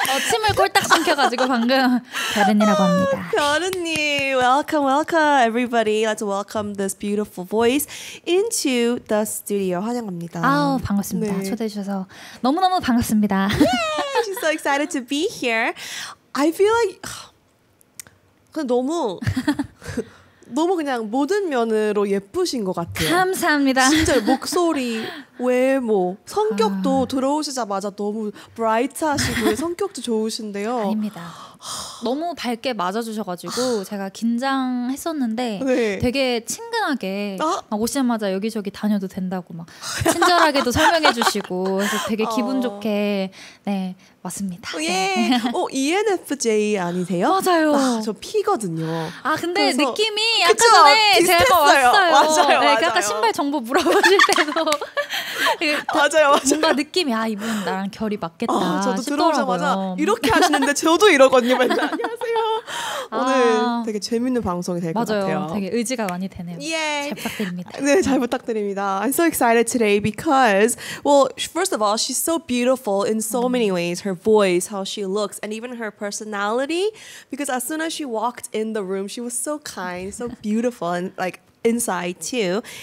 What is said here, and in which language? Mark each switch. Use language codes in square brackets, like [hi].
[ko] 침을 꼴딱 삼켜가지고 방금 별은이라고 합니다. [en] 별은님, welcome, welcome, everybody. Let's welcome this beautiful voice into the studio. [ko] 환영합니다. 아우, 반갑습니다. 네. 초대해 주셔서 너무너무 반갑습니다. [en] Yay! She's so excited to be here. I feel like 너무... [ko] 너무 그냥 모든 면으로 예쁘신 것 같아요. 감사합니다. 진짜 목소리, 외모, 성격도 들어오시자마자 너무 브라이트하시고 성격도 좋으신데요. 아닙니다. 너무 밝게 맞아주셔가지고 제가 긴장했었는데 네. 되게 친근하게 막 오시자마자 여기저기 다녀도 된다고 막 친절하게도 설명해주시고 그래서 되게 기분 좋게 네 왔습니다. 예. 어, ENFJ 아니세요? 맞아요. 아, 저 P거든요. 아 근데 그래서, 느낌이 약간 그쵸? 전에 비슷했어요. 제가 왔어요. 맞아요. 네, 맞아요. 그 아까 신발 정보 물어보실 때도 맞아요. 맞아요. 뭔가 느낌이 아 이분 나랑 결이 맞겠다. 아, 저도 싶더라고요. 들어오자마자 이렇게 하시는데 저도 이러거든요. 안녕하세요. 오늘 되게 재밌는 방송이 될 것 같아요. 되게 의지가 많이 되네요. Yeah. 잘 부탁드립니다. 네, 잘 부탁드립니다. [en] I'm so excited today because, well, first of all, she's so beautiful in so many ways. Her voice, how she looks, and even her personality. Because as soon as she walked in the room, she was so kind, so beautiful, and like inside too.